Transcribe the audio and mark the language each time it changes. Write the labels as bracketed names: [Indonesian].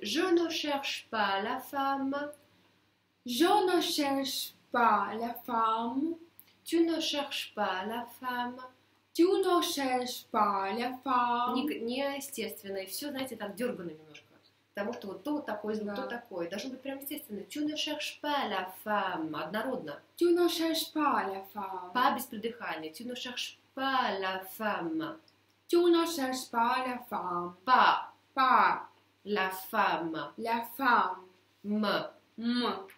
[French] Je ne cherche pas la femme. Je ne cherche pas la femme. Tu ne cherches pas la femme. Tu ne cherches pas la femme. [Russian] Неестественно. И все, знаете, так дёргано немножко. Потому что вот то такое, да. То такое. Должно быть прям естественно. [French] Tu ne cherches pas la femme. [Russian] Однородно. [French] Tu ne cherches pas la femme. [Russian] Па без придыхания. [French] Tu ne cherches pas la femme. Tu ne cherches pas la femme. Па. Па. La femme. La femme. M. M.